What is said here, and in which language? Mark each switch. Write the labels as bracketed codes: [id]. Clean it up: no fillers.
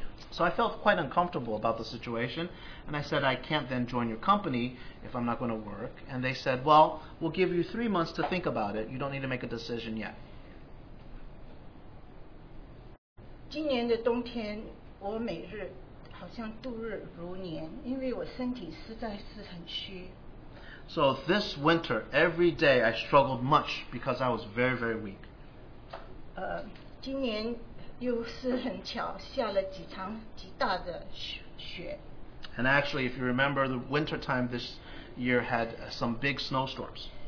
[en] So I felt quite uncomfortable about the situation, and I said, I can't then join your company if I'm not going to work. And they said, well, we'll give you 3 months to think about it. You don't need to make a decision yet. [zh] 今年的冬天我每日好像度日如年因为我身体实在是很虚 [en] So this winter, every day I struggled much because I was very, very weak. [zh] 今年又是很巧下了几场极大的雪 [en] And actually, if you remember, the winter time this year had some big snowstorms.